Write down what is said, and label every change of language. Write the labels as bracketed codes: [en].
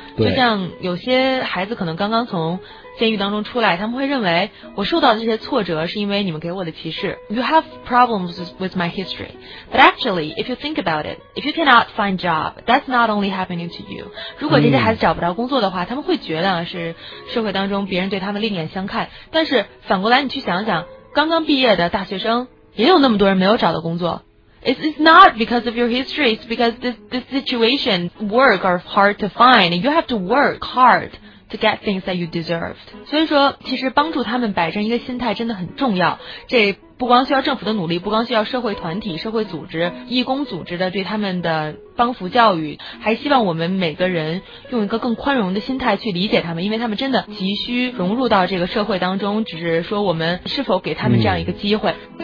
[zh] 就像有些孩子可能刚刚从监狱当中出来，他们会认为我受到的这些挫折是因为你们给我的歧视。 [en] You have problems with my history. But actually, if you think about it, if you cannot find job, that's not only happening to you. [zh] 如果这些孩子找不着工作的话，他们会觉得是社会当中别人对他们另眼相看。但是反过来你去想想，刚刚毕业的大学生也有那么多人没有找到工作。 [en] It's not because of your history, it's because this situation, work are hard to find. You have to work hard. To get things that you deserved. [zh] 所以说其实帮助他们摆正一个心态真的很重要，这不光需要政府的努力，不光需要社会团体、社会组织、义工组织的对他们的帮扶教育，还希望我们每个人用一个更宽容的心态去理解他们，因为他们真的急需融入到这个社会当中，只是说我们是否给他们这样一个机会。